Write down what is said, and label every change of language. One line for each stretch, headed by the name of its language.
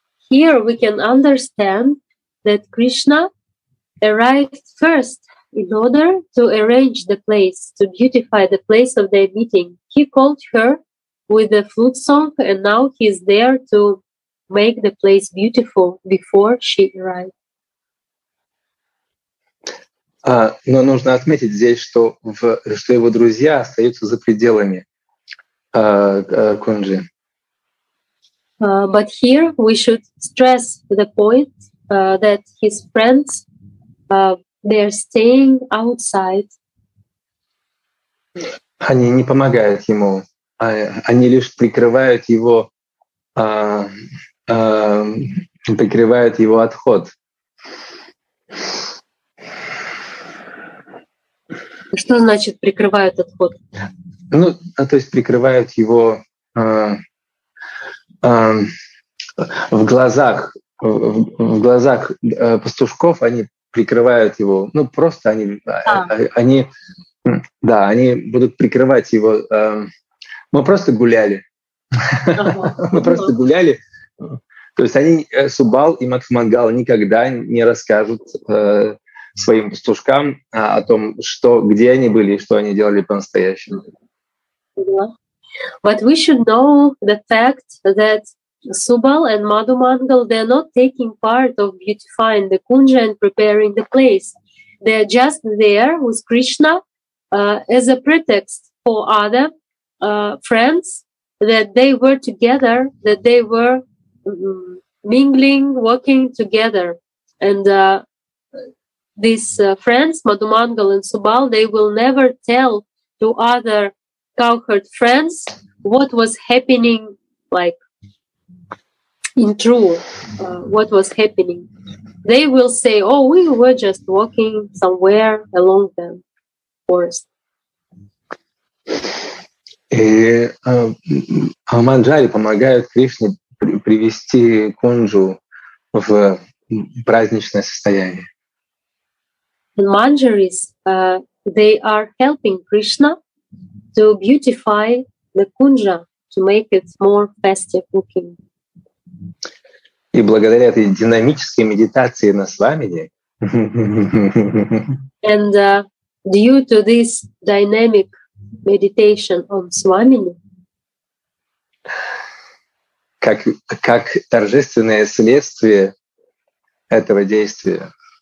English: Here we can understand that Krishna arrived first in order to arrange the place, to beautify the place of their meeting. He called her with a flute song, and now he's there to make the place beautiful before she arrived.
Russian: Но нужно отметить здесь, что его друзья остаются за пределами кунджи.
English: But here we should stress the point that his friends they're staying outside.
Russian: Они не помогают ему они лишь прикрывают его, прикрывают его отход. Что значит прикрывают отход? Ну, то есть прикрывают его в глазах. В глазах пастушков они прикрывают его. Ну, просто они, они, да, они будут прикрывать его. Мы просто гуляли. Мы просто гуляли. То есть они, Субал и Макхмангал, никогда не расскажут своим пастушкам о том, что, где они были и что они делали по-настоящему.
English: But we should know the fact that Subal and Madhu Mangal, they are not taking part of beautifying the kunja and preparing the place. They are just there with Krishna as a pretext for other friends, that they were together, that they were mingling, working together. And these friends, Madhu Mangal and Subal, they will never tell to other cowherd friends what was happening, like, in true, what was happening. They will say, oh, we were just walking somewhere along the forest.
Russian: И Манджари помогает Кришне привести кунджу в праздничное состояние.
English: And Manjaris, they are helping Krishna to beautify the kunja, to make it more festive looking.
Russian: И благодаря этой динамической медитации на Свамине.
English: And due to this dynamic meditation on Swamini,
Russian: как торжественное следствие этого действия.